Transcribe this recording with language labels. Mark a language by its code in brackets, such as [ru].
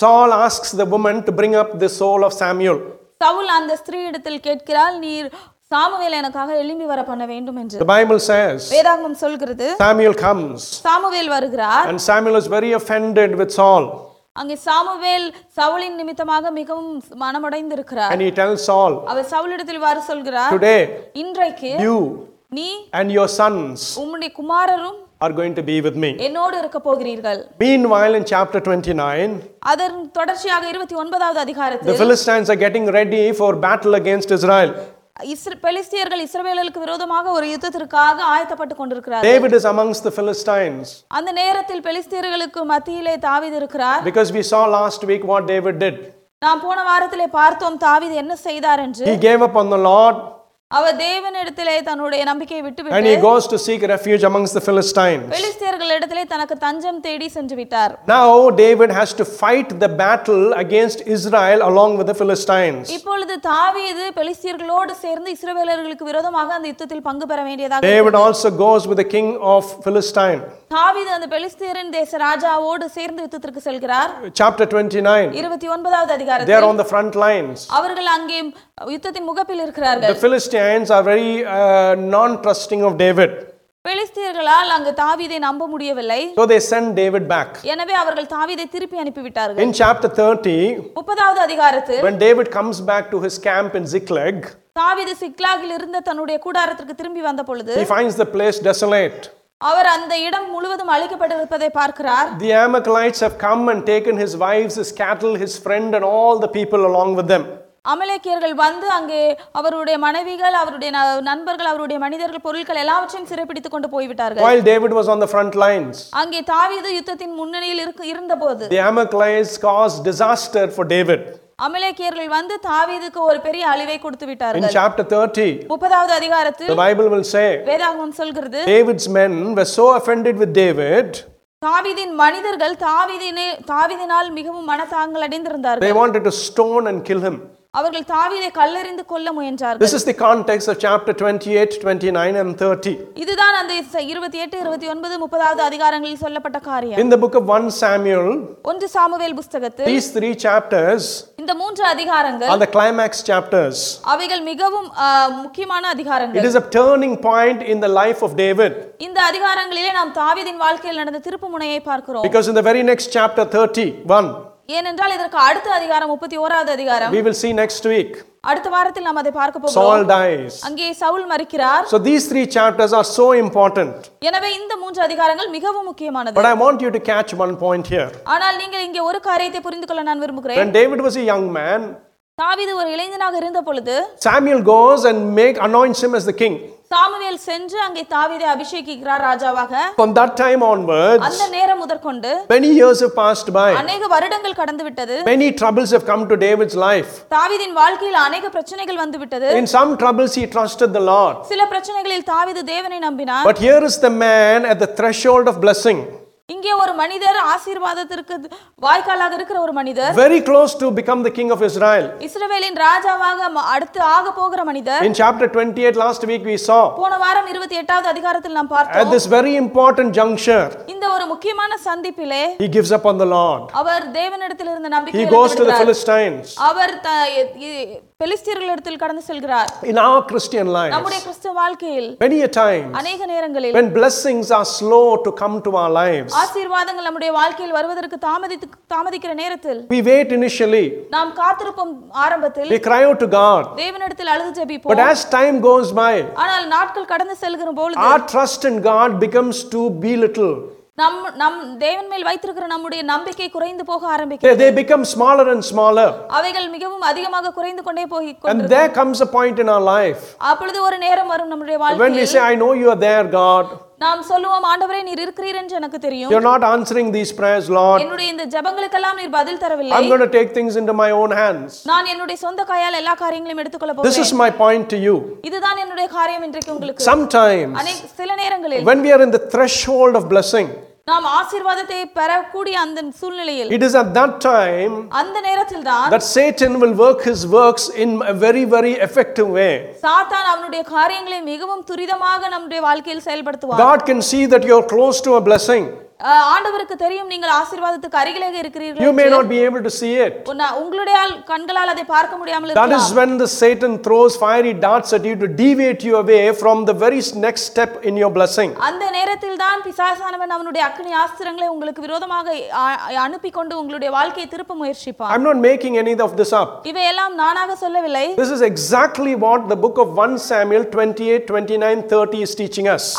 [en] Saul asks the woman to bring up the soul of Samuel. [ta] Saul அந்த ஸ்திரீ இடத்தில் கேட்கிறாள், நீர் சாமுவேல் எனக்காக எழும்பி வர பண்ண வேண்டும் என்று. [en] The Bible says, [ta] வேதாகமம் சொல்கிறது, [en] Samuel comes. [ta] சாமுவேல் வருகிறார். [en] And Samuel is very offended with Saul. [ta] அங்கே சாமுவேல் சவுலின் நிமித்தமாக மிகவும் மனமடைந்து இருக்கிறார். [en] And he tells Saul, [ta] அவர் சவுலிடத்தில் வர சொல்கிறார், [en] Today, [ta] இன்றைக்கு, [en] you, [ta] நீ, [en] and your sons, [ta] உம்முடைய குமாரரும், [en] are going to be with me. [ta] என்னோடு இருக்க போகிறீர்கள். [en] Meanwhile in chapter 29, [ta] அதன் தொடர்ச்சியாக 29வது அதிகாரத்தில், [en] the Philistines are getting ready for battle against Israel. [ta] பெலிஸ்தியர்கள் இஸ்ரவேலர்களுக்கு விரோதமாக ஒரு யுத்தத்திற்காக ஆயத்தப்பட்டுக் கொண்டிருக்கிறார். [en] David is amongst the Philistines. [ta] அந்த நேரத்தில் பெலிஸ்தியர்களுக்கு மத்தியிலே தாவீது இருக்கிறார். [en] Because we saw last week what David did. [ta] நாம் போன வாரத்திலே பார்த்தோம் தாவீது என்ன செய்தார் என்று. [en] He gave up on the Lord. [ta] அவர் தேவனிடத்திலே தன்னுடைய நம்பிக்கையை விட்டுவிட்டு, [en] And he goes to seek refuge amongst the Philistines. [ta] பெலிஸ்தியர்களிடத்திலே தனக்கு தஞ்சம் தேடி சென்று விட்டார். [en] Now David has to fight the battle against Israel along with the Philistines. [ta] இப்பொழுது தாவீது பெலிஸ்தியர்களோடு சேர்ந்து இஸ்ரவேலர்களுக்கு விரோதமாக அந்த யுத்தத்தில் பங்கு பெற வேண்டியதாக. [en] David also goes with the king of Philistine. [ta] தாவீது அந்த பெலிஸ்தியரின் தேச ராஜாவோடு சேர்ந்து யுத்தத்திற்கு செல்கிறார். [en] Chapter 29. [ta] 29வது அதிகாரத்தில் [en] they are on the front lines. [ta] அவர்கள் அங்கே யுத்தத்தின் முகப்பில் இருக்கிறார்கள். [en] The Philistines are very non-trusting of David. [ta] பெலிஸ்தியர்களால் அங்கு தாவீதை நம்ப முடியவில்லை. [en] So they send David back. [ta] எனவே அவர்கள் தாவீதை திருப்பி அனுப்பி விட்டார்கள். [en] In chapter 30. [ta] 30வது அதிகாரத்தில் [en] when David comes back to his camp in Ziklag. [ta] தாவீது சிக்லாகில் இருந்த தன்னுடைய கூடாரத்திற்கு திரும்பி வந்தபொழுது, [en] he finds the place desolate. [ta] அவர் அந்த இடம் முழுவதும் அழிக்கப்பட்டிருப்பதை பார்க்கிறார். [en] The Amalekites have come and taken his wives, his cattle, his friend and all the people along with them. [ta] அமலேக்கியர்கள் வந்து அங்கே அவருடைய மனைவிகள், அவருடைய நண்பர்கள், அவருடைய மனிதர்கள், பொருட்கள் எல்லாவற்றையும் சிறைபிடித்துக் கொண்டு போய்விட்டார்கள். [en] While David was on the front lines. [ta] அங்கே தாவீது யுத்தத்தின் முன்னணியில் இருந்தபோது, [en] The Amalekites caused disaster for David. [ta] அமலேக்கியர்கள் வந்து தாவீதுக்கு ஒரு பெரிய அழிவை கொடுத்து விட்டார்கள். [en] In chapter 30. [ta] 30வது அதிகாரத்தில் [en] The Bible will say. [ta] வேதாகமம் சொல்கிறது, [en] David's men were so offended with David. [ta] தாவீதின் மனிதர்கள் தாவீதினால் மிகவும் மனதாங்கல் அடைந்திருந்தார்கள். [en] They wanted to stone and kill him. [ta] அவர்கள் தாவீதை கல்லெறிந்து கொல்ல முயன்றார்கள். [en] This is the context of chapter 28, 29 and 30. [ta] இதுதான் அந்த 28, 29, 30வது அதிகாரங்களில் சொல்லப்பட்ட காரியம். [en] In the book of 1 Samuel. [ta] 1 Samuel புத்தகத்தில் [en] these 3 chapters. [ta] இந்த 3 அதிகாரங்கள் [en] are the climax chapters. [ta] அவைகள் மிகவும் முக்கியமான அதிகாரங்கள். [en] It is a turning point in the life of David. [ta] இந்த அதிகாரங்களிலே நாம் தாவீதின் வாழ்க்கையில் நடந்த திருப்பு முனையை பார்க்கிறோம். [en] Because in the very next chapter 31. [ta] ஏனென்றால் இதற்கு அடுத்த அதிகாரம் 31வது அதிகாரம். [en] We will see next week. [ta] அடுத்த வாரத்தில் நாம் அதை பார்க்க போகிறோம். [en] Saul dies. [ta] அங்கே Saul மரிக்கிறார். [en] So these 3 chapters are so important. [ta] எனவே இந்த 3 அதிகாரங்கள் மிகவும் முக்கியமானது. [en] But I want you to catch one point here. [ta] ஆனால் நீங்கள் இங்கே ஒரு காரியத்தை புரிந்துகொள்ள நான் விரும்புகிறேன். [en] When David was a young man. [ta] தாவீது ஒரு இளைஞனாக இருந்த பொழுது, [en] Samuel goes and anoints him as the king. [ta] Samuel ராமாவில் சென்று அங்கே தாவீதை அபிஷேகிக்கிறார் ராஜாவாக. [en] From that time onwards, [ta] அந்த நேரம் முதற்கொண்டு, [en] many years have passed by, [ta] அநேக வருடங்கள் கடந்து விட்டது. [en] Many troubles have come to David's life, [ta] தாவீதின் வாழ்க்கையில் அநேக பிரச்சனைகள் வந்து விட்டது. [en] In some troubles he trusted the Lord, [ta] சில பிரச்சனைகளில் தாவீது தேவனை நம்பினார். [en] But here is the man at the threshold of blessing, [ta] இங்கே ஒரு மனிதர் ஆசீர்வாதத்திற்கு வாய்க்காலாக இருக்கிற ஒரு மனிதர். [en] Very close to become the king of Israel, [ta] இஸ்ரவேலின் ராஜாவாக அடுத்து ஆக போகிற மனிதர். [en] In chapter 28 last week we saw, [ta] போன வாரம் 28வது அதிகாரத்தில் நாம் பார்த்தோம். [en] At this very important juncture, [ta] இந்த ஒரு முக்கியமான சந்திப்பிலே, [en] he gives up on the Lord, [ta] அவர் தேவனிடத்தில் இருந்த நம்பிக்கை, [en] he goes to the Philistines, [ta] அவர் பெலிஸ்தீர்கள் இடத்தில் கடந்து செல்கிறார். [en] In our Christian lives, [ta] நம்முடைய கிறிஸ்தவ வாழ்க்கையில், [en] many a times, [ta] அநேக நேரங்களில், [en] when blessings are slow to come to our lives, [ta] ஆசீர்வாதங்கள் நம்முடைய வாழ்க்கையில் வருவதற்கு தாமதிக்கிற நேரத்தில், [en] we wait initially, [ta] நாம் காத்திருப்போம் ஆரம்பத்தில், [en] we cry out to God, [ta] தேவனிடத்தில் அழுது ஜெபிப்போம். [en] But as time goes by, [ta] ஆனால் நாட்கள் கடந்து செல்கிற பொழுது, [en] our trust in God becomes too belittle. [ta] நம் தேவன் மேல் வைத்திருக்கிற நம்முடைய நம்பிக்கை குறைந்து போக ஆரம்பிக்கிறது. [en] They become smaller and smaller. [ta] அவைகள் மிகவும் அதிகமாக குறைந்து கொண்டே போகிறது. [en] And there comes a point in our life, [ta] அப்பொழுது ஒரு நேரம் வரும் நம்முடைய வாழ்க்கையில், [en] when we say, I know you are there, God, [ta] நாம் சொல்லுவோம், ஆண்டவரே நீர் இருக்கிறீர் என்று எனக்கு தெரியும். [en] You're not answering these prayers, Lord, [ta] என்னுடைய இந்த ஜெபங்களுக்கெல்லாம் நீர் பதில் தரவில்லை. [en] I'm going to take things into my own hands, [ta] நான் என்னுடைய சொந்த கையால் எல்லா காரியங்களையும் எடுத்துக்கொள்ள போகிறேன். [en] This is my point to you, [ta] இதுதான் என்னுடைய காரியம் இன்றைக்கு உங்களுக்கு. [en] Sometimes, [ta] அநேக சில நேரங்களில், [en] when we are in the threshold of blessing, [ta] நாம் ஆசீர்வாதத்தை பெறக்கூடிய அந்த சூழ்நிலையில், [en] it is at that time, [ta] அந்த நேரத்தில் தான், [en] that Satan will work his works in a very very effective way, [ta] சாத்தான் அவனுடைய காரியங்களை மிகவும் துரிதமாக நம்முடைய வாழ்க்கையில் செயல்படுத்துவான். [en] God can see that you are close to a blessing, [ta] ஆண்டவருக்கு தெரியும் நீங்கள் ஆசீர்வாதத்துக்கு அருகிலே இருக்கிறீர்கள். [en] You may not be able to see it, [ta] உங்களுடைய கண்களால் அதை பார்க்க முடியாமல் இருக்கலாம். [en] That is when the Satan throws fiery darts at you to deviate you away from the very next step in your blessing. [ta] அந்த நேரத்தில் தான் பிசாசானவன் அவனுடைய அக்னி ஆஸ்திரங்களை உங்களுக்கு விரோதமாக அனுப்பி கொண்டு உங்களுடைய வாழ்க்கையை திருப்ப முயற்சிப்பான். [en] I'm not making any of this up, [ta] இவையெல்லாம் நானாக சொல்லவில்லை. [en] This is exactly what the book of 1 Samuel 28 29 30 is teaching us.